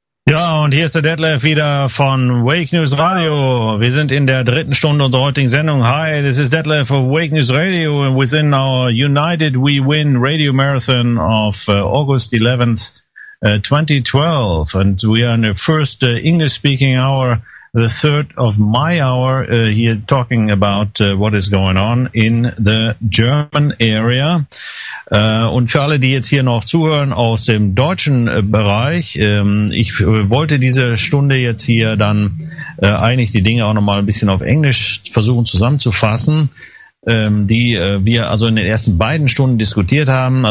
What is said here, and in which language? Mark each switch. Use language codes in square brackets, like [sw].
[de] Ja, und hier ist der Detlev wieder von Wake News Radio. Wir sind in der dritten Stunde unserer heutigen Sendung. [en] Hi, this is Detlev of Wake News Radio and within our United We Win Radio Marathon of August 11th, 2012. And we are in the first English speaking hour, the third of my hour here talking about what is going on in the German area. [de] Und für alle, die jetzt hier noch zuhören aus dem deutschen Bereich, ich wollte diese Stunde jetzt hier dann eigentlich die Dinge auch nochmal ein bisschen auf Englisch versuchen zusammenzufassen, die wir also in den ersten beiden Stunden diskutiert haben.